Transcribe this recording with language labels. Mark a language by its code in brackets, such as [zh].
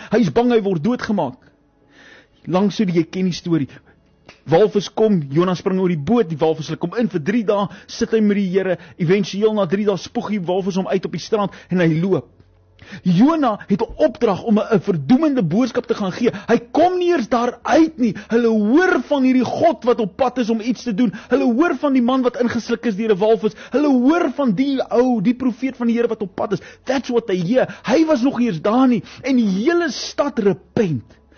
[af] Hy is bang hy word doodgemaak. Langs so die, jy ken die story, walvis kom, Jona spring oor die boot, die walvis kom in vir 3 dae, sit hy met die Here, eventueel na 3 dae spoeg die walvis hom uit op die strand en hy loop. Jona het 'n opdrag om 'n verdoemende boodskap te gaan gee. Hy kom nie eers daar uit nie. Hulle hoor van hierdie God wat op pad is om iets te doen. Hulle hoor van die man wat ingesluk is deur 'n walvis. Hulle hoor van die ou, die profeet van die Here wat op pad is. [en] That's what they hear. [af] Hy was nog eers daar nie en die hele stad [en] repent.